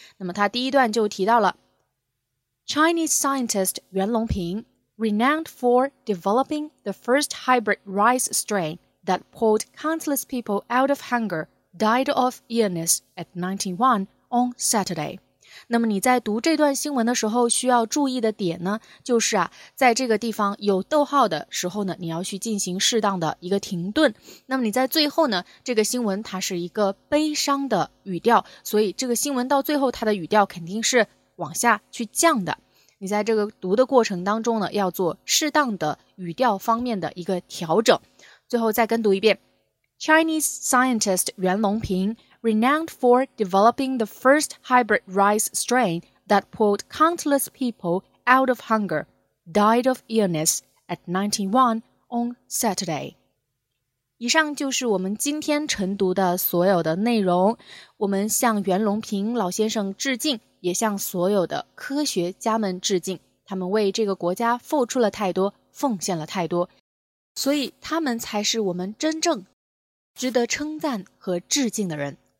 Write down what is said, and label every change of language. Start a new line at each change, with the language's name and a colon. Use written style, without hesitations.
Chinese: 那么他第一段就提到了
English: Chinese scientist 袁隆平 renowned for developing the first hybrid rice strain that pulled countless people out of hunger died of illness at 91on Saturday。
Chinese: 那么你在读这段新闻的时候需要注意的点呢，就是在这个地方有逗号的时候呢，你要去进行适当的一个停顿。那么你在最后呢，这个新闻它是一个悲伤的语调，所以这个新闻到最后它的语调肯定是往下去降的，你在这个读的过程当中呢要做适当的语调方面的一个调整。最后再跟读一遍，
English: Chinese scientist 袁隆平Renowned for developing the first hybrid rice strain that pulled countless people out of hunger, died of illness at 91 on Saturday.
Chinese: 以上就是我们今天晨读的所有的内容。我们向袁隆平老先生致敬，也向所有的科学家们致敬，他们为这个国家付出了太多，奉献了太多，所以他们才是我们真正值得称赞和致敬的人。